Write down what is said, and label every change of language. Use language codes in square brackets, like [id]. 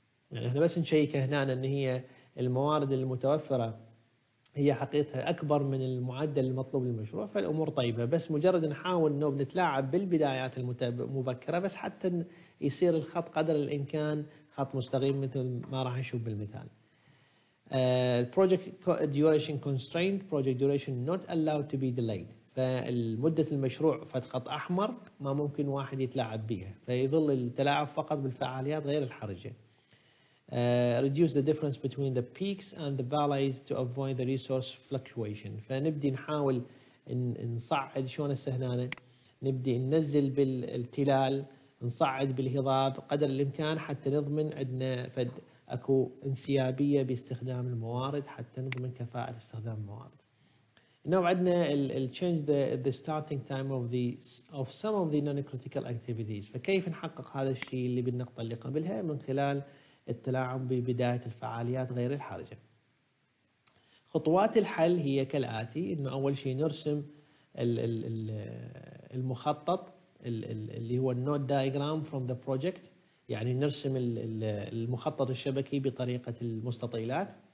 [ar] يعني احنا بس نشيك هنا ان هي الموارد المتوفره هي حقيقتها اكبر من المعدل المطلوب للمشروع، فالامور طيبه. بس مجرد نحاول انه بنتلاعب بالبدايات المبكره بس حتى يصير الخط قدر الامكان خط مستقيم مثل ما راح نشوف بالمثال. [en] Project duration constraint. Project duration not allowed to be delayed. [ar] فالمدة المشروع فت خط أحمر ما ممكن واحد يتلاعب بيها، فيظل التلاعب فقط بالفعاليات غير الحرجة. [en] Reduce the difference between the peaks and the valleys to avoid the resource fluctuation. [ar] فنبدي نحاول نصعد، شلون السهنانة نبدي ننزل بالتلال نصعد بالهضاب قدر الإمكان حتى نضمن عندنا فد اكو انسيابيه باستخدام الموارد حتى نضمن كفاءه استخدام الموارد. انه عندنا ال [en] change the starting time of the of some of the non critical activities. [ar] فكيف نحقق هذا الشيء اللي بالنقطه اللي قبلها؟ من خلال التلاعب ببدايه الفعاليات غير الحرجه. خطوات الحل هي كالاتي، انه اول شيء نرسم الـ المخطط اللي هو النود دايجرام فروم ذا بروجكت، يعني نرسم المخطط الشبكي بطريقة المستطيلات.